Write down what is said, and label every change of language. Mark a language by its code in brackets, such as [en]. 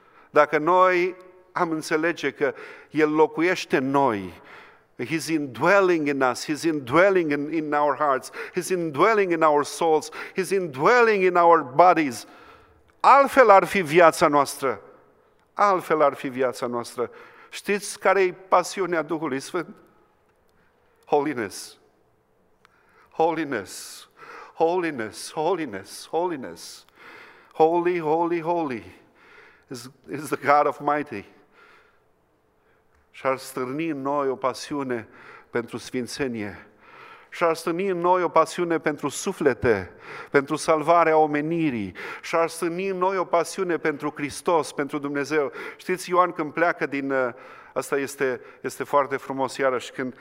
[ro] Dacă noi am înțelege că El locuiește în noi, [en] He's indwelling in us, He's indwelling in our hearts, He's indwelling in our souls, He's indwelling in our bodies. [ro] Altfel ar fi viața noastră. Altfel ar fi viața noastră. Știți care e pasiunea Duhului Sfânt? [en] Holiness. Holiness. Holiness, holiness, holiness. Holy, holy, holy is the God of mighty. [ro] Și-ar stârni în noi o pasiune pentru sfințenie. Și-ar stârni în noi o pasiune pentru suflete, pentru salvarea omenirii. Și-ar stârni în noi o pasiune pentru Hristos, pentru Dumnezeu. Știți, Ioan când pleacă din... Asta este foarte frumos iarăși.